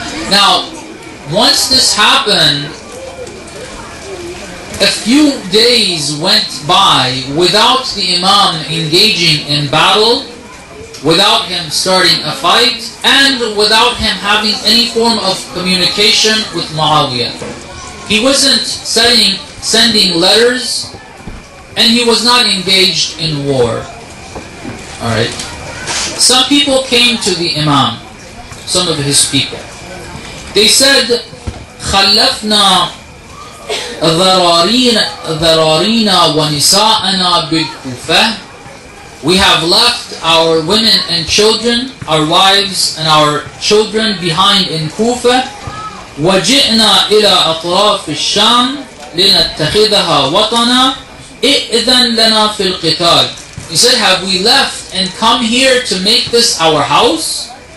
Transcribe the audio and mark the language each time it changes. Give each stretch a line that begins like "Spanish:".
English: Now, once this happened, a few days went by without the Imam engaging in battle, without him starting a fight, and without him having any form of communication with Muawiyah. He wasn't sending letters, and he was not engaged in war. Alright. Some people came to the Imam, some of his people. They said,
Arabic: خَلَّفْنَا ذَرَارِينَ وَنِسَاءَنَا بِالْكُوفَةِ.
English: We have left our women and children, our wives and our children behind in Kufa.
Arabic: وَجِئْنَا إِلَىٰ أَطْرَافِ الشَّامِ لِنَتَّخِذَهَا وَطَنًا إِئْذَن لَنَا فِي الْقِتَالِ.
English: He said, have we left and come here to make this our house?